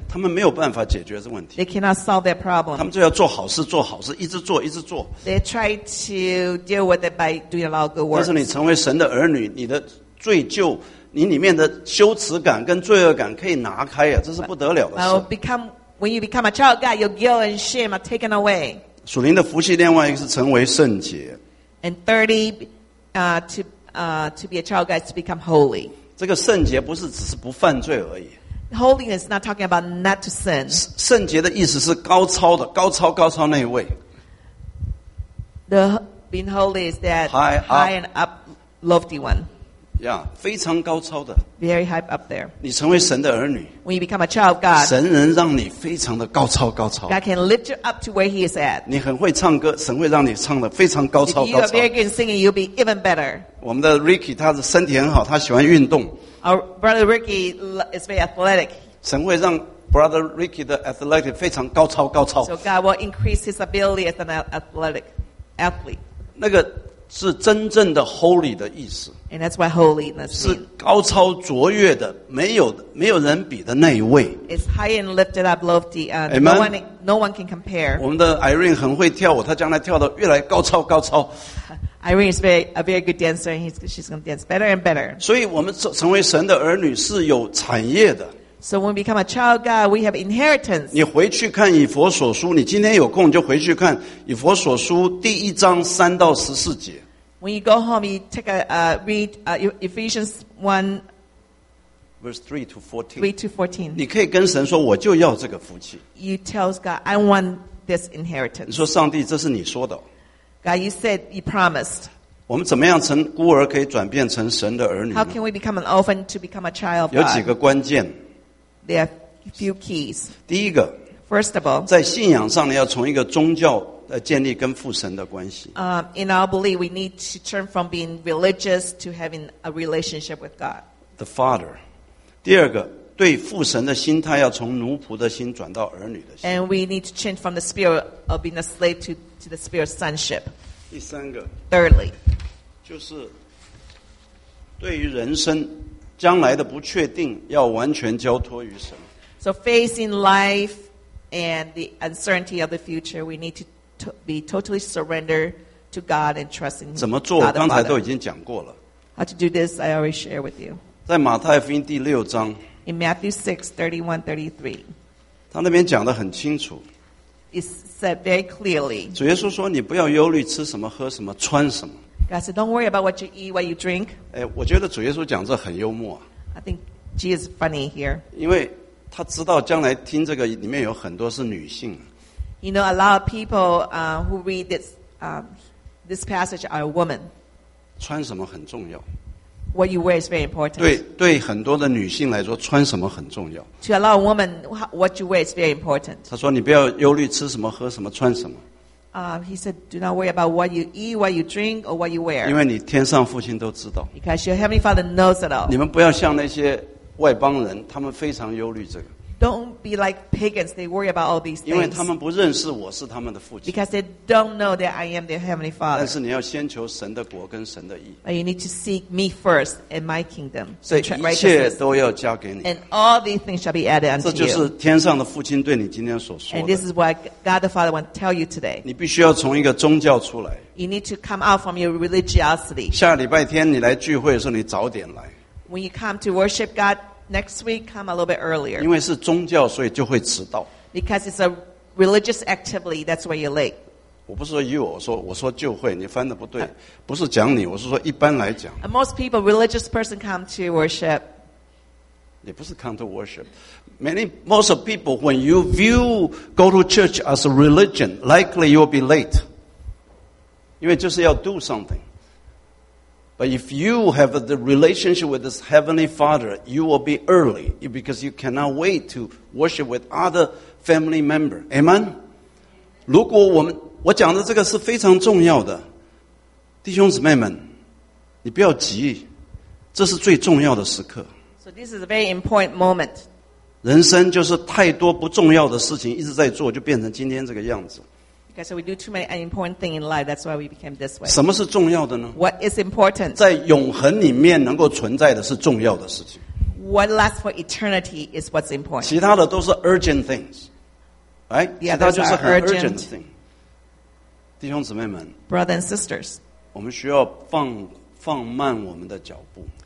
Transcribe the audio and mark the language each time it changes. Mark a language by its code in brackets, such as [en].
[zh] 他们没有办法解决这问题。 [en] They cannot solve their problem. [zh] 他们就要做好事，做好事，一直做，一直做。 [en] They try to deal with it by doing a lot of good works. [zh] 但是你成为神的儿女，你的罪疚，你里面的羞耻感跟罪恶感可以拿开呀，这是不得了的事。 [en] When you become a child of God, your guilt and shame are taken away. [zh] 属灵的福气，另外一个是成为圣洁。 [en] And thirdly, to be a child of God is to become holy. [zh] 这个圣洁不是只是不犯罪而已。 [en] Holiness is not talking about not to sin. [zh] 圣洁的意思是高超的，高超高超那一位。 [en] The being holy is that high and up lofty one. [zh] Yeah, 非常高超的。 [en] Very high up there. [zh] 你成为神的儿女。 [en] When you become a child of God. [zh] 神能让你非常的高超高超。 [en] God can lift you up to where he is at. [zh] 你很会唱歌，神会让你唱的非常高超高超。 [en] If you are very good in singing, you'll be even better. [zh] 我们的 Ricky 他的身体很好，他喜欢运动。 [en] Our brother Ricky is very athletic. [zh] 神会让 brother Ricky 的 athletic 非常高超高超。 [en] So God will increase his ability as an athletic athlete. [zh] 那个是真正的 holy 的意思。 [en] And that's why holiness means. [zh] 是高超卓越的，没有人比的那一位。 [en] It's high and lifted up, lofty. Amen. No one can compare. [zh] 我们的 Irene 很会跳舞，她将来跳得越来高超高超。 [en] Irene is a very good dancer, and she's going to dance better and better. [zh] 所以我们成为神的儿女是有产业的。 [en] So when we become a child of God, we have inheritance. [zh] 你回去看以弗所书，你今天有空就回去看以弗所书第一章三到十四节。 [en] When you go home, you take a read Ephesians 1. Verse 3 to 14. [zh] 你可以跟神说，我就要这个福气。 [en] You tell God, I want this inheritance. [zh] 你说，上帝，这是你说的。 [en] God, you said, you promised. [zh] 我们怎么样从孤儿可以转变成神的儿女呢？ [en] How can we become an orphan to become a child of God? [zh] 有几个关键。 [en] There are few keys. [zh] 第一个。 [en] First of all. [zh] 在信仰上呢，要从一个宗教建立跟父神的关系。 [en] In our belief, we need to turn from being religious to having a relationship with God. The Father. [zh] 第二个，对父神的心态要从奴仆的心转到儿女的心。 [en] And we need to change from the spirit of being a slave to the spirit of sonship. [zh] 第三个。 [en] Thirdly. [zh] 就是对于人生将来的不确定要完全交托于神。 [en] So facing life and the uncertainty of the future, we need to be totally surrendered to God and trust in God. [zh] 怎么做？我刚才都已经讲过了。 [en] How to do this, I already share with you. [zh] 在马太福音第六章。 [en] In Matthew 6:31-33. [zh] 他那边讲得很清楚。 [en] It's said very clearly. [zh] 主耶稣说，你不要忧虑吃什么、喝什么、穿什么。 [en] God said, don't worry about what you eat, what you drink. [zh] 哎，我觉得主耶稣讲这很幽默。 [en] I think Jesus is funny here. [zh] 因为他知道将来听这个里面有很多是女性。 [en] You know, a lot of people who read this passage are women. [zh] 穿什么很重要。 [en] What you wear is very important. [zh] 对很多的女性来说，穿什么很重要。 [en] To a lot of women, what you wear is very important. [zh] 他说，你不要忧虑吃什么、喝什么、穿什么。 [en] He said, do not worry about what you eat, what you drink, or what you wear. [zh] 因为你天上父亲都知道。 [en] Because your heavenly father knows it all. [zh] 你们不要像那些外邦人，他们非常忧虑这个。 [en] Don't be like pagans, they worry about all these things. [zh] 因为他们不认识我是他们的父亲。 [en] Because they don't know that I am their heavenly father. [zh] 但是你要先求神的国跟神的义。 [en] But you need to seek me first and my kingdom. [zh] 这一切都要加给你。 [en] And all these things shall be added unto you. [zh] 这就是天上的父亲对你今天所说的。 [en] And this is what God the Father wants to tell you today. [zh] 你必须要从一个宗教出来。 [en] You need to come out from your religiosity. [zh] 下礼拜天你来聚会的时候，你早点来。 [en] When you come to worship God,Next week, come a little bit earlier. [zh] 因为是宗教，所以就会迟到。 [en] Because it's a religious activity, that's why you're late. [zh] 我不是说 you, 我说就会，你翻得不对，不是讲你，我是说一般来讲。 [en] And most people, religious person come to worship. [zh] 也不是 [en] come to worship. Most of people, when you view go to church as a religion, likely you'll be late. [zh] 因为就是要 [en] do something. But if you have the relationship with this Heavenly Father, you will be early because you cannot wait to worship with other family member. Amen? [zh] 如果我讲的这个是非常重要的，弟兄姊妹们，你不要急，这是最重要的时刻。 [en] So this is a very important moment. [zh] 人生就是太多不重要的事情一直在做，就变成今天这个样子。 [en] Okay, so we do too many important things in life, that's why we became this way. [zh] 什么是重要的呢? [en] What is important? [zh] 在永恒里面能够存在的是重要的事情。 [en] What lasts for eternity is what's important. [zh] 其他的都是 [en] urgent things. Right? Yeah, those are urgent things. [zh] 弟兄姊妹们, [en] brothers and sisters, [zh] 我们需要放慢我们的脚步。